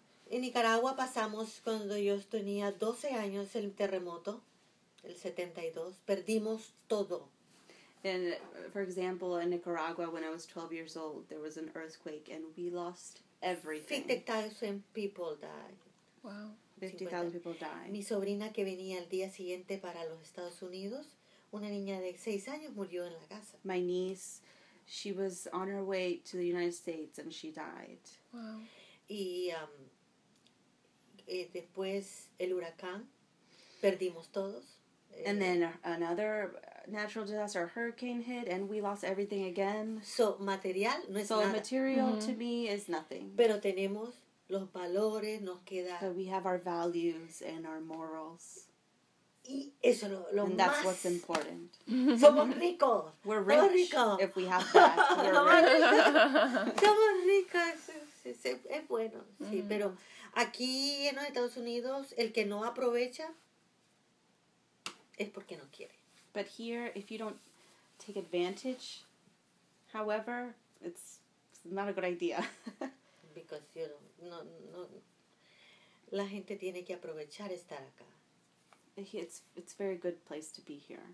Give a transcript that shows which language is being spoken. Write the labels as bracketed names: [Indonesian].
[Spanish] En Nicaragua pasamos, cuando yo tenía 12 años, el terremoto, el 72. Perdimos todo. [English] And, for example, in Nicaragua, when I was 12 years old, there was an earthquake, and we lost everything. 50,000 people died. Wow. 50,000 people died. [Spanish] Mi sobrina, que venía el día siguiente para los Estados Unidos, una niña de 6 años murió en la casa. [English] My niece, she was on her way to the United States, and she died. Wow. [Spanish] Y después, el huracán, perdimos todos. [English] And then another natural disaster, a hurricane hit, and we lost everything again. [Spanish] So, material no es nada. [English] So, material mm-hmm. to me is nothing. [Spanish] Pero tenemos los valores, nos queda... [English] But we have our values and our morals. [Spanish] Y eso lo [English] and that's [Spanish] más... [English] what's important. [Spanish] Somos ricos. [English] We're rich. [Spanish] Somos rico. [English] If we have that, we're rich. [Spanish] Somos ricos. Es bueno, sí. Mm. Pero aquí en los Estados Unidos, el que no aprovecha... es porque no quiere. [English] But here, if you don't take advantage, however, it's not a good idea. Because you don't, [Spanish] no, la gente tiene que aprovechar estar acá. [English] It's a very good place to be here.